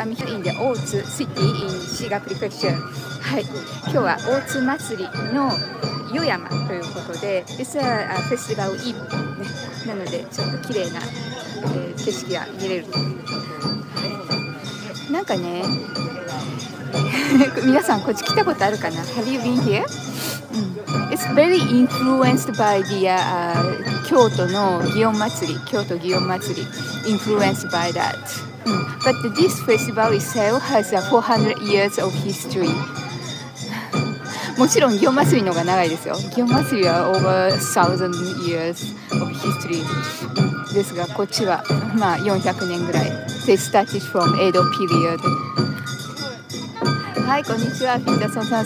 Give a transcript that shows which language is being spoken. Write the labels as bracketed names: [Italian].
[Japanese] アミヒューインで大津シティインシーガプリフェクション、はい、今日は大津祭りの湯山ということで、実はフェスティバルイブ、ね、なのでちょっと綺麗な、景色が見れるという、なんかね皆さんこっち来たことあるかな。 [English] Have you been here?、It's very influenced by the、京都の祇園祭り、京都祇園祭り influenced by that、But this festival itself has 400 years of history。 [Japanese] もちろん祇園祭りの方が長いですよ。祇園祭りは [English] over 1000 years of history [Japanese] ですが、こっちはまあ400年ぐらい。 [English] They started from Edo period。 [Japanese] はい、こんにちは、フィンダソンさん。